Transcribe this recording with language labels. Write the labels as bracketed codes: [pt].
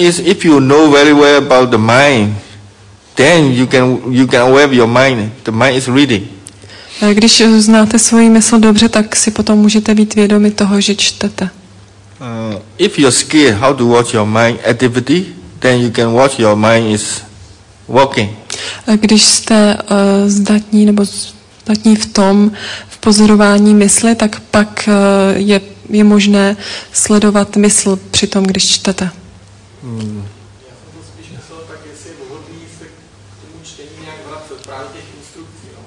[en] Is if you know very well about the mind, then you can aware of your mind. The mind is reading. [cs] Když znáte svoji mysl dobře, tak si potom můžete být vědomi toho, že čtete. [en] If your skill how to watch your mind activity, then you can watch your mind is walking. [cs] Když jste zdatní nebo zdatní v tom, v pozorování mysli, tak pak je možné sledovat mysl při tom, když čtete. Já jsem to spíš myslel tak, jestli je vhodný se k tomu čtení nějak vracet, právě těch instrukcí.